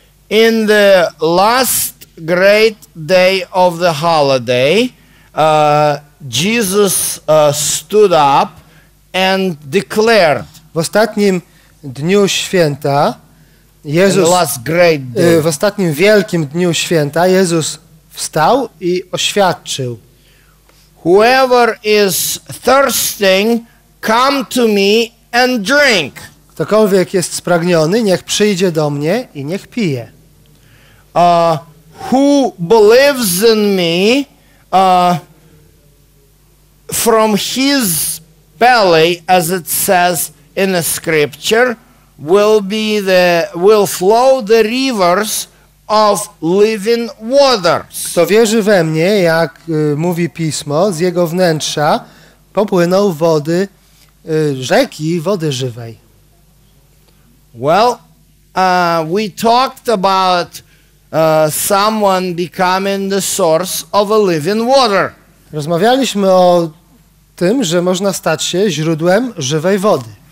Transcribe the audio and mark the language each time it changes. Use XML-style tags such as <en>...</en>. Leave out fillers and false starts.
<en>in the last great day of the holiday, Jesus stood up and declared.</en> <pl>W ostatnim dniu święta, Jezus,</pl> <en>the last great day.</en> <pl>W ostatnim wielkim dniu święta, Jezus wstał i oświadczył.</pl> <en>Whoever is thirsting, come to me and drink.</en> <pl>Ktokolwiek jest spragniony, niech przyjdzie do mnie i niech pije.</pl> <en>Who believes in me, from his belly, as it says in the scripture, will flow the rivers of living waters.</en> <pl>Kto wierzy we mnie, jak mówi pismo, z jego wnętrza popłyną wody, rzeki wody żywej.</pl> <en>Well, we talked about someone becoming the source of a living water.</en> <pl>Rozmawialiśmy o tym, że można stać się źródłem żywej wody.</pl>